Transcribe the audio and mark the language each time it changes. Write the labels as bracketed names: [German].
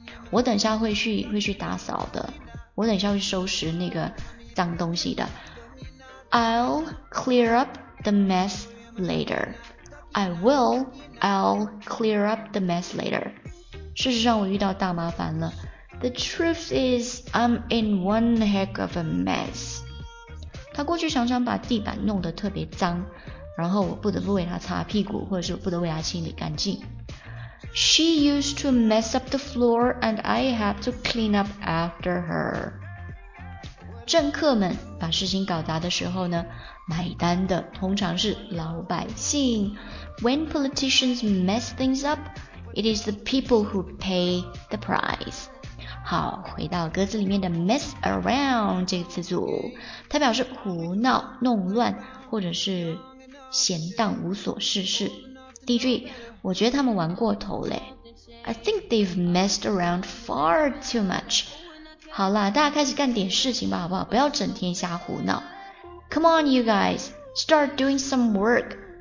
[Chinese] 我等一下会去打扫的，我等一下会收拾那个脏东西的。 [English] I'll clear up the mess laterI'll clear up the mess later. [Chinese] 事实上我遇到大麻烦了。 [English] The truth is, I'm in one heck of a mess. [Chinese] 他过去常常把地板弄得特别脏，然后我不得不为他擦屁股，或者是不得为他清理干净。 [English] She used to mess up the floor and I have to clean up after her. [Chinese] 政客们把事情搞砸的时候呢，买单的通常是老百姓。 [English] When politicians mess things up, it is the people who pay the price. [Chinese] 好，回到歌词里面的 mess around 这个词组，它表示胡闹、弄乱，或者是闲荡、无所事事。第一句，我觉得他们玩过头嘞。 [English] I think they've messed around far too much. [Chinese] 好啦，大家开始干点事情吧，好不好？不要整天瞎胡闹。 [English] Come on, you guys, start doing some work.